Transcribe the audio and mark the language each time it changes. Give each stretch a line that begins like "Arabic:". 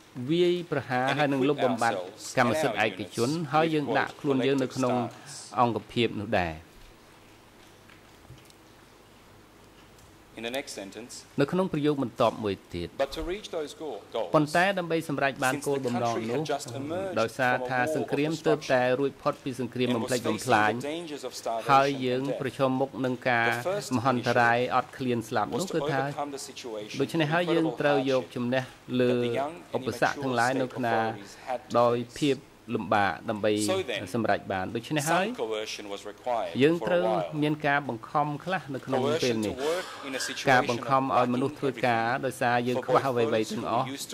Khmer: វាយប្រហារហើយនឹងលុបបំបាត់កម្មសិទ្ធិឯកជនហើយយើងដាក់ខ្លួនយើងនៅក្នុងអង្គភាពនោះដែរ
English: In the next sentence, but to reach those goals, since the country had just emerged from a war with destruction, it was facing the dangers of starvation and death. The first issue was to overcome the situation that the young and inexperienced authorities
Khmer: លំបាកដើម្បីសម្រេចបានដូច្នេះហើយយើងត្រូវមានការបង្ខំខ្លះនៅក្នុងពេលនេះការបង្ខំឲ្យមនុស្សធ្វើការដោយសារយើងខ្វះអ្វីៗទាំងអស់